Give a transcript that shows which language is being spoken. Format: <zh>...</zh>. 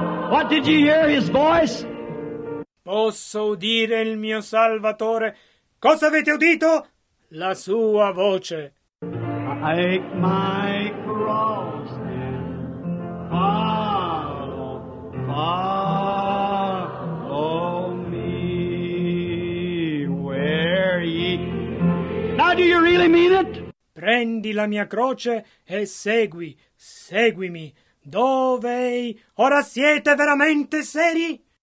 <en>What did you hear his voice?</en> <it>Posso udire il mio Salvatore? Cosa avete udito? La sua voce.</it> <en>Take my cross and follow, follow me where ye. Now do you really mean it?</en> <it>Prendi la mia croce e segui, seguimi. Dove? Ora siete veramente seri?</it>